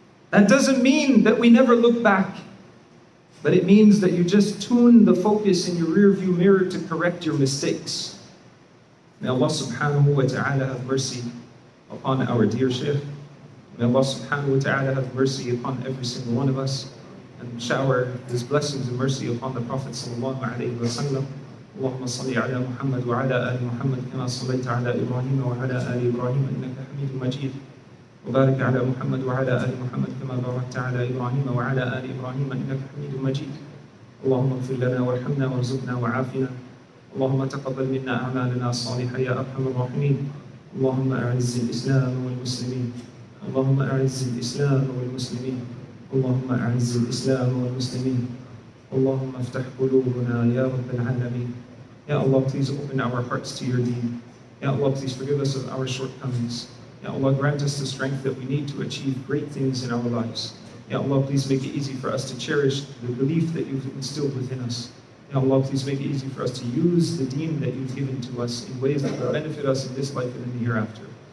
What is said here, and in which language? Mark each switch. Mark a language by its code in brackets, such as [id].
[en] That doesn't mean that we never look back, but it means that you just tune the focus in your rearview mirror to correct your mistakes. May Allah subhanahu wa ta'ala have mercy upon our dear Shaykh. May Allah subhanahu wa ta'ala have mercy upon every single one of us, and shower His blessings and mercy upon the Prophet sallallahu alayhi wa sallam. [ar] اللهم صل على محمد وعلى آل محمد كما صليت على إبراهيم وعلى آل إبراهيم إنك حميد مجيد. وبارك على محمد وعلى آل محمد كما باركت على إبراهيم وعلى آل إبراهيم إنك حميد مجيد. اللهم اغفر لنا وارحمنا وارزقنا وعافنا. اللهم تقبل منا أعمالنا الصالحة يا أرحم الراحمين. اللهم أعز الإسلام والمسلمين. اللهم أعز الإسلام والمسلمين. اللهم أعز الإسلام والمسلمين. اللهم افتح قلوبنا يا رب العالمين. [en] يا الله, please open our hearts to your deen. يا الله, please forgive us of our shortcomings. يا الله, grant us the strength that we need to achieve great things in our lives. يا الله, please make it easy for us to cherish the belief that you've instilled within us. يا الله, please make it easy for us to use the deen that you've given to us in ways that will benefit us in this life and in the hereafter.